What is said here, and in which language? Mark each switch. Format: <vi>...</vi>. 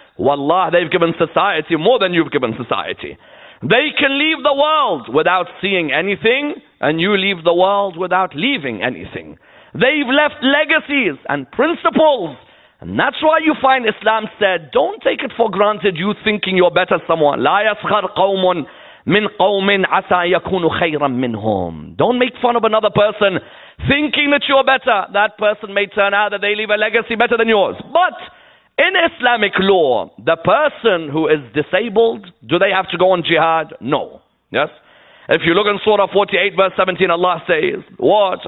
<en>Wallah, they've given society more than you've given society. They can leave the world without seeing anything, and you leave the world without leaving anything. They've left legacies and principles. And that's why you find Islam said, don't take it for granted you thinking you're better someone.</en> <ar>لا يسخر قوم من قوم عسى يكون خيرا منهم.</ar> <en>Don't make fun of another person thinking that you're better. That person may turn out that they leave a legacy better than yours. But in Islamic law, the person who is disabled, do they have to go on jihad? No. Yes? If you look in Surah 48 verse 17, Allah says, what?</en>